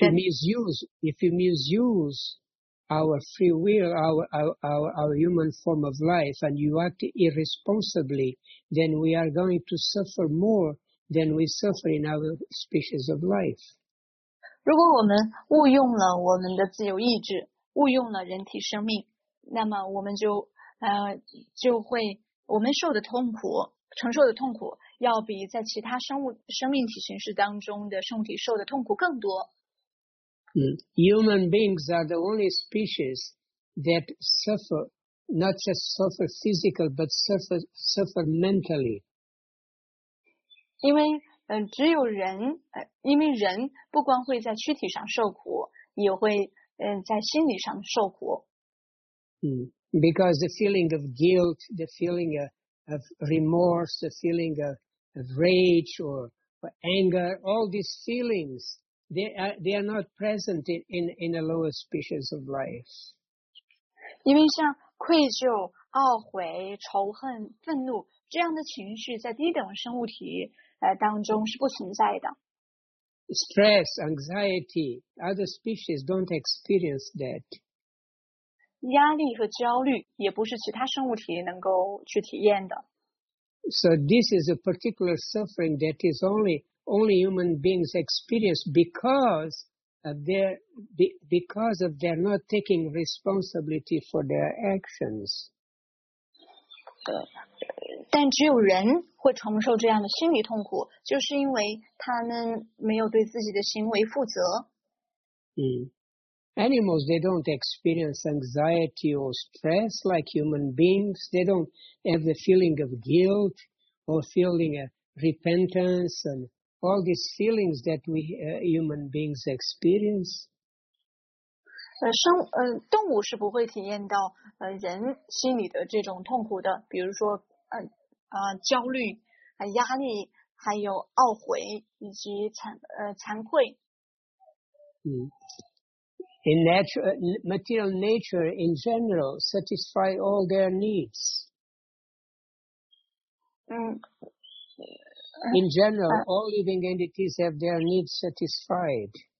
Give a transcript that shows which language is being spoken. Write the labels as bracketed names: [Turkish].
[English] If you misuse our free will, our human form of life, and you act irresponsibly, then we are going to suffer more than we suffer in other species of life. [Chinese] 如果我们误用了我们的自由意志，误用了人体生命。那么我们就就会我们受的痛苦承受的痛苦要比在其他生物生命体形式当中的生物体受的痛苦更多。 [English] Human beings are the only species that suffer, not just suffer physical, but suffer mentally. [Chinese] 因为只有人因为人不光会在躯体上受苦也会在心理上受苦。 [English] Because the feeling of guilt, the feeling of remorse, the feeling of rage or anger, all these feelings, they are not present in a lower species of life. [Chinese] 因为像愧疚、懊悔、仇恨、愤怒这样的情绪在低等生物体当中是不存在的。 [English] Stress, anxiety, other species don't experience that. [Chinese] 压力和焦虑也不是其他生物体能够去体验的。 [English] So this is a particular suffering that is only human beings experience because of their not taking responsibility for their actions. [Chinese] 但只有人会承受这样的心理痛苦，就是因为他们没有对自己的行为负责。 [English] Animals, they don't experience anxiety or stress like human beings. They don't have the feeling of guilt or feeling of repentance and all these feelings that we, human beings experience. [Chinese] 动物是不会体验到人心里的这种痛苦的，比如说焦虑、压力、还有懊悔以及惭愧。 [English] In material nature, in general, satisfy all their needs. In general, all living entities have their needs satisfied.